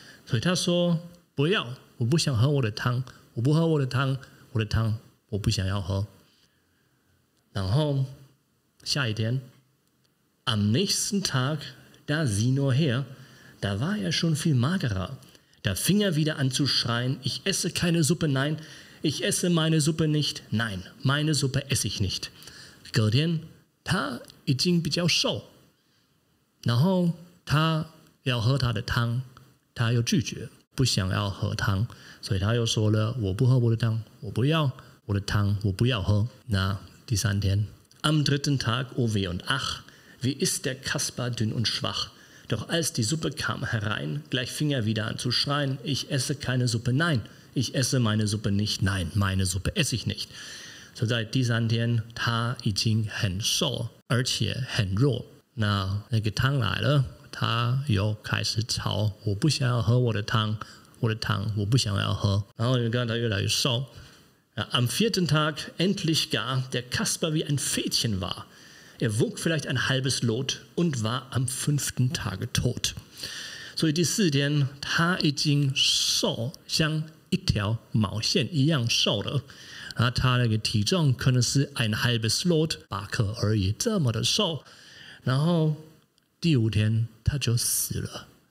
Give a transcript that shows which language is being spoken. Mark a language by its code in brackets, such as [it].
[zh] 所以他说不要，我不想喝我的汤，我不喝我的汤，我的汤我不想要喝。然后下一天 [de] Am nächsten Tag, da sieh nur her, da war er schon viel magerer, da fing er wieder an zu schreien, ich esse keine Suppe, nein, ich esse meine Suppe nicht, nein, meine Suppe esse ich nicht. [zh] 隔天他已经比较瘦，然后他要喝他的汤，他又拒绝不想要喝汤，所以他又说了我不喝我的汤，我不要我的汤，我不要喝。那第三天 [de] Am dritten Tag, oh weh und ach, wie ist der Kasper dünn und schwach, doch als die Suppe kam herein, gleich fing er wieder an zu schreien, ich esse keine Suppe, nein, ich esse meine Suppe nicht, nein, meine Suppe esse ich nicht. So seit [zh] 第三天他已经很瘦而且很弱，那那个汤来了，他又开始吵，我不想要喝我的汤，我的汤我不想要喝。然后你看他越来越瘦。 [de] Am vierten Tag endlich gar der Kasper wie ein Fädchen war. Er wog vielleicht ein halbes Lot und war am fünften Tage tot. [zh] 所以第四天他已经瘦像一条毛线一样瘦了，然后他那个体重可能是 [de] ein halbes Lot [zh] 八克而已，这么的瘦。然后第五天他就死了。